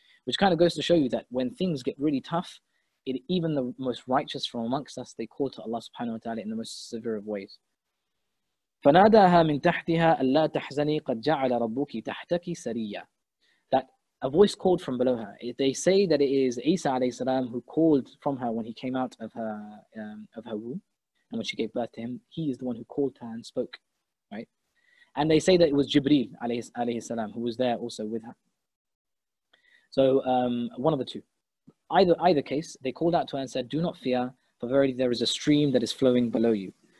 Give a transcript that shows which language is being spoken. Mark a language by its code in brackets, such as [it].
[en] Which kind of goes to show you that when things get really tough, even the most righteous from amongst us, they call to Allah subhanahu wa ta'ala in the most severe of ways. [ar] فَنَادَاهَا مِن تَحْتِهَا أَلَّا تَحْزَنِي قَدْ جَعَلَ رَبُّكِ تَحْتَكِ سَرِيَّا [en] A voice called from below her. They say that it is Isa alayhi salam who called from her when he came out of her womb, and when she gave birth to him, he is the one who called her and spoke, right? And they say that it was Jibreel alayhi salam who was there also with her. So one of the two. Either case, they called out to her and said, "Do not fear, for verily there is a stream that is flowing below you."